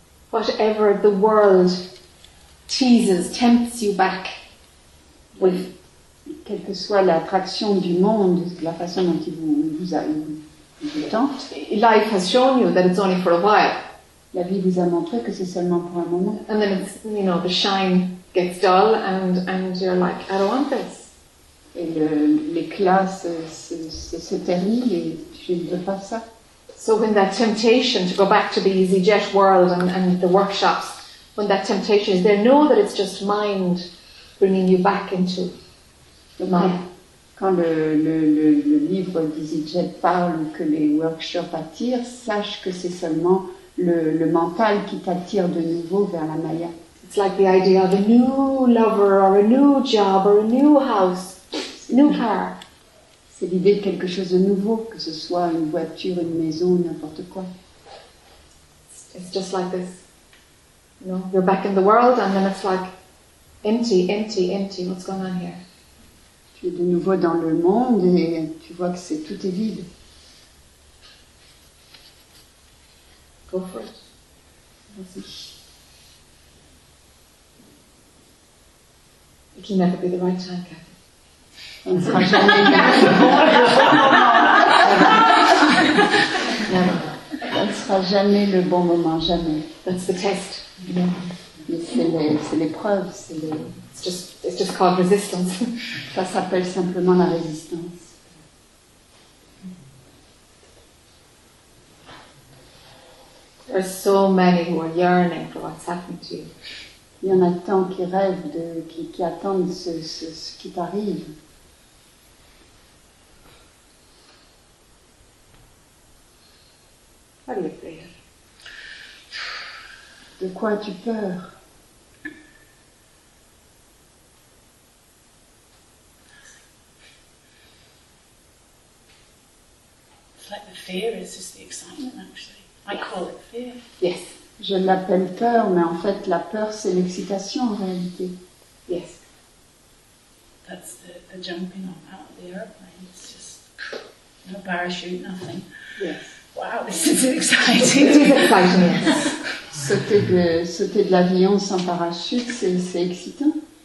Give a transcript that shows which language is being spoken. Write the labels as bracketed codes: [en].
[en] Whatever the world teases, tempts you back with. [fr] Quelle que soit l'attraction du monde, la façon dont il vous tente. [en] Life has shown you that it's only for a while. [fr] La vie vous a montré que c'est seulement pour un moment. [en] And then it's, you know, the shine gets dull and you're like, I don't want this. [fr] Et l'éclat se termine et je ne veux pas ça. [en] So when that temptation to go back to the easy jet world and the workshops, when that temptation is there, know that it's just mind bringing you back into the mind. [fr] Quand le livre d'Easy Jet parle que les workshops attirent, sache que c'est seulement le mental qui t'attire de nouveau vers la Maya. [en] It's like the idea of a new lover or a new job or a new house, new car. [fr] C'est l'idée de quelque chose de nouveau, que ce soit une voiture, une maison, n'importe quoi. [en] It's just like this. No, you're back in the world, and then it's like empty, empty, empty. What's going on here? [fr] Tu es de nouveau dans le monde et tu vois que c'est tout est vide. [en] Go for it. [fr] Vas-y. [en] It will never be the right time, Kathy. [fr] On ne sera jamais le bon moment. On ne sera jamais le bon moment, jamais. [en] That's the test. [fr] Mais c'est l'épreuve, c'est le... [en] It's just called resistance. [fr] Ça s'appelle simplement la résistance. [en] There are so many who are yearning for what's happened to you. [fr] Il y en a tant qui rêvent de, qui attendent ce qui t'arrive. [en] How do you feel? [fr] De quoi as-tu peur? [en] It's like the fear is just the excitement, actually. I call it fear. Yes. [fr] Je l'appelle peur, mais en fait, la peur, c'est l'excitation, en réalité. [en] Yes. that's the jumping off out of the airplane. It's just no parachute, nothing. Yes. Wow, this is exciting. It is exciting. [fr] Sauter de l'avion sans parachute, c'est excitant.